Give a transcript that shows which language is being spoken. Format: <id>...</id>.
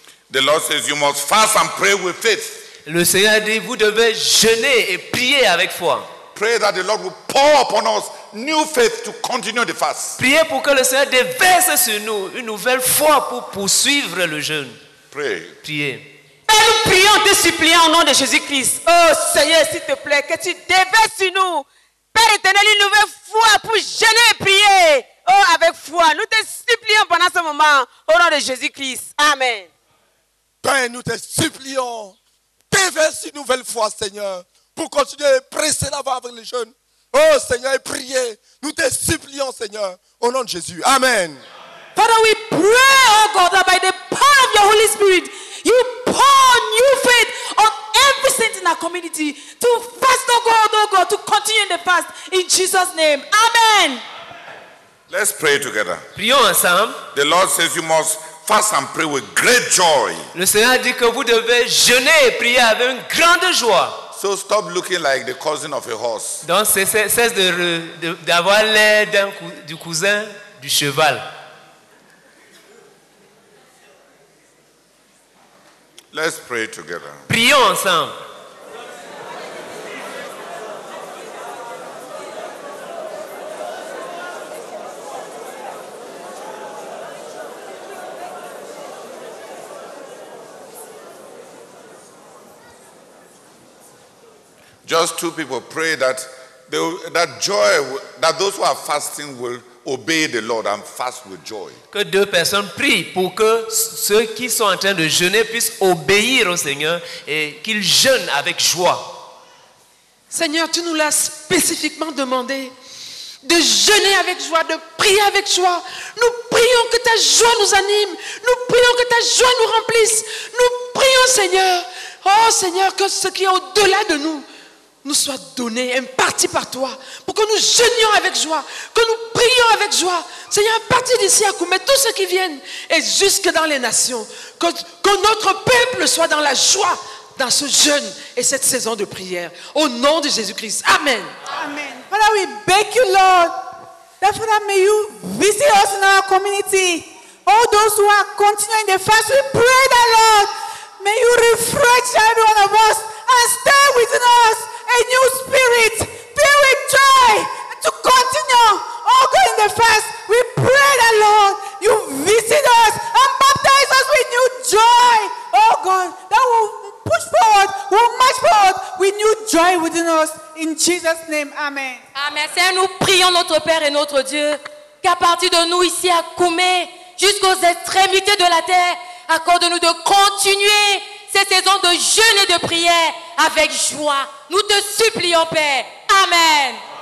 <en>The Lord says you must fast and pray with faith.</en> <fr>Le Seigneur dit, vous devez jeûner et prier avec foi.</fr> <en>Pray that the Lord will pour upon us new faith to continue the fast.</en> <fr>Priez pour que le Seigneur déverse sur nous une nouvelle foi pour poursuivre le jeûne.</fr> <en>Pray.</en> <fr>Priez. Et nous prions, te supplions au nom de Jésus-Christ. Oh Seigneur, s'il te plaît, que tu déverses sur nous, Père éternel, une nouvelle foi pour jeûner et prier. Oh, avec foi, nous te supplions pendant ce moment au nom de Jésus-Christ. Amen. Père, nous te supplions, déverse une nouvelle foi, Seigneur, pour continuer à presser l'avant avec les jeunes. Oh Seigneur, et prier. Nous te supplions, Seigneur, au nom de Jésus. Amen.</fr> <en>Father, we pray, oh God, that by the power of your Holy Spirit, you pour new faith on every saint in our community to fast, oh God, to continue in the fast in Jesus' name. Amen. Let's pray together.</en> <fr>Prions ensemble.</fr> <en>The Lord says you must fast and pray with great joy.</en> <fr>Le Seigneur dit que vous devez jeûner et prier avec une grande joie.</fr> <en>So stop looking like the cousin of a horse.</en> <fr>Donc cesse d'avoir l'air du cousin du cheval.</fr> <en>Let's pray together.</en> <fr>Prions ensemble.</fr> <en>Just two people pray that that joy, that those who are fasting will obey the Lord and fast with joy.</en> <fr>Que deux personnes prient pour que ceux qui sont en train de jeûner puissent obéir au Seigneur et qu'ils jeûnent avec joie. Seigneur, tu nous l'as spécifiquement demandé de jeûner avec joie, de prier avec joie. Nous prions que ta joie nous anime. Nous prions que ta joie nous remplisse. Nous prions, Seigneur. Oh Seigneur, que ce qui est au-delà de nous nous soit donné, imparti par toi, pour que nous jeûnions avec joie, que nous prions avec joie. Seigneur, à partir d'ici à Koumé, tous ceux qui viennent, et jusque dans les nations, que notre peuple soit dans la joie, dans ce jeûne et cette saison de prière. Au nom de Jésus-Christ. Amen. Amen.</fr> <en>Father, we beg you, Lord, that Father, may you visit us in our community. All those who are continuing the fast, we pray that, Lord, may you refresh every one of us and stay within us. A new spirit, filled with joy, to continue all going the fast. We pray that, Lord, you visit us and baptize us with new joy, oh God, that will push forward, will march forward with new joy within us. In Jesus' name, amen. Amen.</en> <fr>Seigneur, nous prions notre Père et notre Dieu, qu'à partir de nous ici à Koumé, jusqu'aux extrémités de la terre, accorde-nous de continuer ces saisons de jeûne et de prière avec joie. Nous te supplions, Père. Amen.</fr>